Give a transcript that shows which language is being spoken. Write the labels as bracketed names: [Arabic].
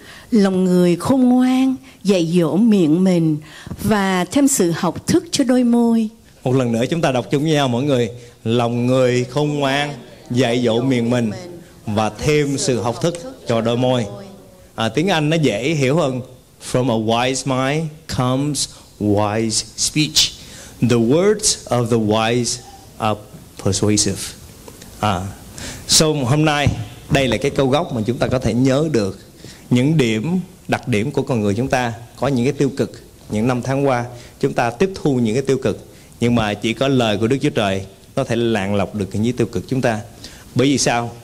[Vietnamese] Lòng người khôn ngoan dạy dỗ miệng mình và thêm sự học thức cho đôi môi. Một lần nữa chúng ta đọc chung với nhau mọi người. Lòng người khôn ngoan dạy dỗ miệng mình và thêm sự học thức cho đôi môi. Tiếng Anh nó dễ hiểu hơn. [English] From a wise mind comes wise speech. The words of the wise are persuasive. [Vietnamese] So hôm nay đây là cái câu gốc mà chúng ta có thể nhớ được những điểm đặc điểm của con người chúng ta. Có những cái tiêu cực, những năm tháng qua chúng ta tiếp thu những cái tiêu cực, nhưng mà chỉ có lời của Đức Chúa Trời có thể lạng lọc được những tiêu cực chúng ta. Bởi vì sao?